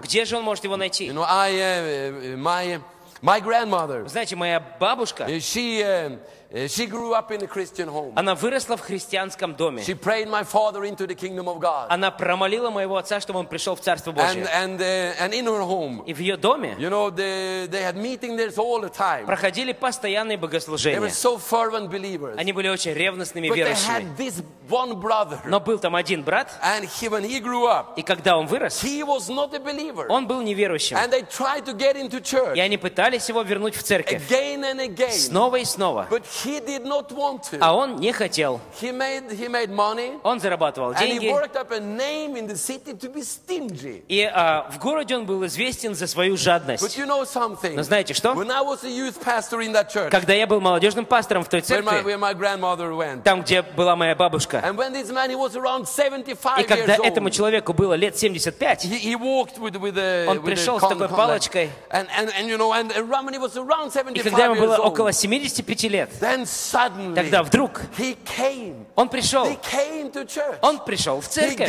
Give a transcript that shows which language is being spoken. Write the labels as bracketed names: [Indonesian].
[Russian] Где же он может его найти? [English] You know, my grandmother. [Russian] Знаете, моя бабушка. [English] She grew up in a Christian home. [Russian] Она выросла в христианском доме. [English] She prayed my father into the kingdom of God. [Russian] Она промолила моего отца, чтобы он пришел в Царство Божие. [English] And in her home. [Russian] И в ее доме. [English] You know, they had meetings there all the time. [Russian] Проходили постоянные богослужения. [English] They were so fervent believers. [Russian] Они были очень ревностными [English] But [Russian] верующими. [English] But they had this one brother. [Russian] Но был там один брат. [English] And when he grew up. [Russian] И когда он вырос. [English] He was not a believer. [Russian] Он был неверующим. [English] And they tried to get into church. [Russian] И они пытались его вернуть в церковь. [English] Again and again. [Russian] Снова и снова. [English] But he did not want to. [Russian] А он не хотел. [English] He made money. [Russian] Он зарабатывал деньги. [English] And he worked up a name in the city to be stingy. [Russian] И в городе он был известен за свою жадность. [English] But you know something? [Russian] Но знаете что? [English] When I was a youth pastor in that church. [Russian] Когда я был молодежным пастором в той церкви. [English] Where my grandmother went. [Russian] Там, где была моя бабушка. [English] And when this man, he was around 75 years old. [Russian] И когда этому человеку было лет 75. [English] He walked with a [Russian] он пришел с такой палочкой. [English] And you know, and Ramani was around 75 years old. [Russian] И когда ему было около 75 лет. [English] Then suddenly, [Russian] тогда вдруг [English] he came. [Russian] Он пришел. [English] He came to church. [Russian] Он пришел в церковь.